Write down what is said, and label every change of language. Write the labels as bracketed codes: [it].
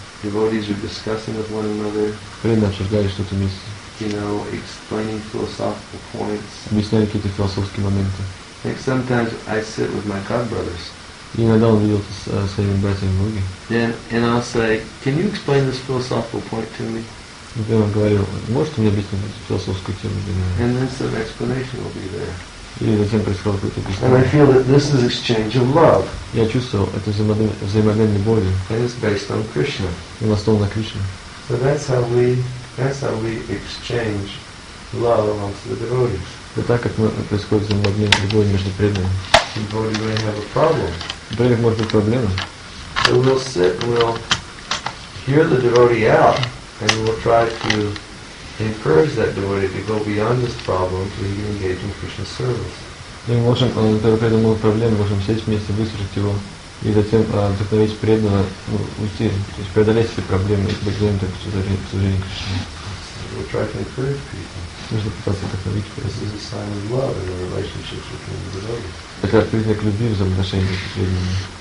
[en] Devotees are discussing with one another. [ru] Преданные обсуждали что-то вместе. [en] You know, explaining philosophical points. [ru] Объясняли какие-то философские моменты. [en] Like sometimes I sit with my god brothers. [ru] И иногда он видел с своими братьями в Луге. [en] And I'll say, can you explain this philosophical point to me? [ru] Например, он говорил, можете мне объяснить эту философскую тему для меня? [en] And then some explanation will be there. [ru] И затем происходило какое-то объяснение. [en] And I feel that this is exchange of love. [ru] Я чувствовал, это взаимообмен любовью. [en] And it's based on Krishna. [ru] И основан на Кришне. [en] So that's how we exchange love amongst the devotees. [ru] Это так, как происходит взаимообмен любовью между преданными. [en] The devotee may have a problem. [ru] Преданник может быть проблема. [en] So we'll sit, we'll hear the devotee out, and we'll try to encourage that devotee to go beyond this problem to engage in Krishna service. [ru] Мы можем, например, при этом проблеме, можем сесть вместе, выслушать его, и затем вдохновить преданного уйти, то есть преодолеть все проблемы и быть занятым к служению Кришне. [en] We'll try to encourage people. [ru] Нужно пытаться вдохновить преданного. [en] This is a sign of love in the relationships between the devotees. [ru] Это признак любви в взаимоотношениях между преданными.